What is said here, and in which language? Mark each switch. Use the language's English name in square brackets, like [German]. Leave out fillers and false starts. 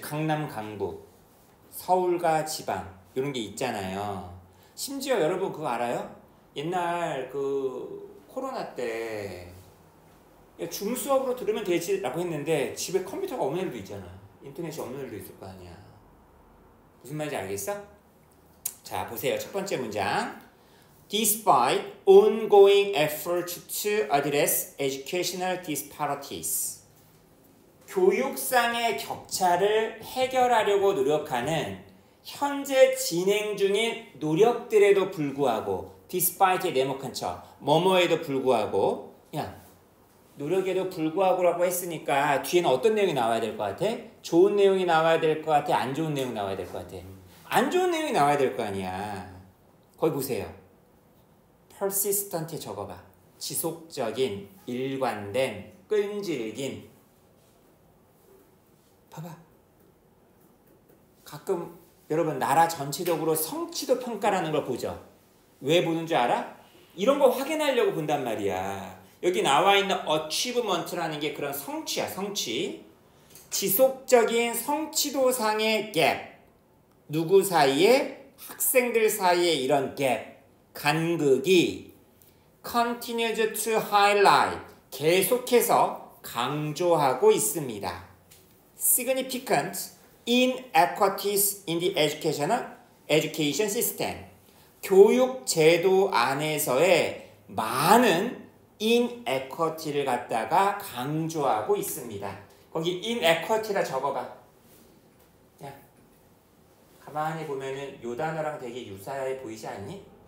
[Korean] 강남, 강북, 서울과 지방 이런 게 있잖아요. 심지어 여러분 그거 알아요? 옛날 그 코로나 때 줌 수업으로 들으면 되지라고 했는데 집에 컴퓨터가 없는 애들도 있잖아. 인터넷이 없는 애들도 있을 거 아니야. 무슨 말인지 알겠어? 자, 보세요. 첫 번째 문장. [English] Despite ongoing effort to address educational disparities. [Korean] 교육상의 격차를 해결하려고 노력하는 현재 진행 중인 노력들에도 불구하고, despite의 네모칸 쳐, 뭐뭐에도 불구하고, 그냥, 노력에도 불구하고라고 했으니까, 뒤에는 어떤 내용이 나와야 될것 같아? 좋은 내용이 나와야 될것 같아? 안 좋은 내용이 나와야 될것 같아? 안 좋은 내용이 나와야 될거 아니야. 거기 보세요. persistent에 적어봐. 지속적인, 일관된, 끈질긴. 봐봐. 가끔, 여러분, 나라 전체적으로 성취도 평가라는 걸 보죠. 왜 보는 줄 알아? 이런 거 확인하려고 본단 말이야. 여기 나와 있는 achievement라는 게 그런 성취야, 성취. 지속적인 성취도 상의 gap. 누구 사이에? 학생들 사이에 이런 gap. 간극이 [English] continues to highlight. [Korean] 계속해서 강조하고 있습니다. [English] significant. inequities in the education system. [Korean] 교육 제도 안에서의 많은 inequity를 갖다가 강조하고 있습니다. 거기 inequity라 적어봐. 가만히 보면은 요 단어랑 되게 유사해 보이지 않니?